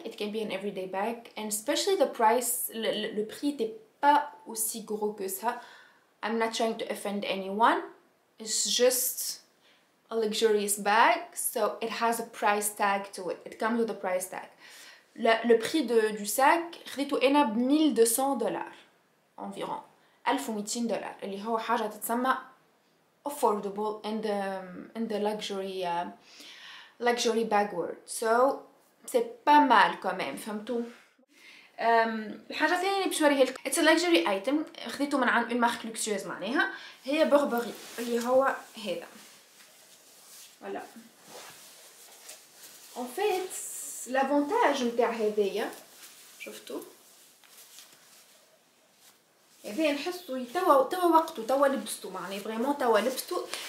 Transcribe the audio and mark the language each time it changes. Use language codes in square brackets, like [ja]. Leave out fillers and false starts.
[en] It can be an everyday bag, and especially the price. [fr] Le prix n'était pas aussi gros que ça. I'm not trying to offend anyone. [en] It's just a luxurious bag, so it has a price tag to it. It comes with a price tag. [fr] Le prix du sac, c'était au énab $1,200 environ. $1,200. Il y a une chose à dire, c'est affordable in the luxury. [en] Luxury bag world, so c'est pas mal quand même, فهمتوا. [ar] الحاجة الثانية اللي باش نوريها لكم it's a luxury item خديته من عند une marque luxueuse معناها هي بربري اللي هو هذا ولا en fait l'avantage نتاع هذايا شفتوا هذايا نحسوا توا وقته توا لبسته معناها فريمون توا لبسته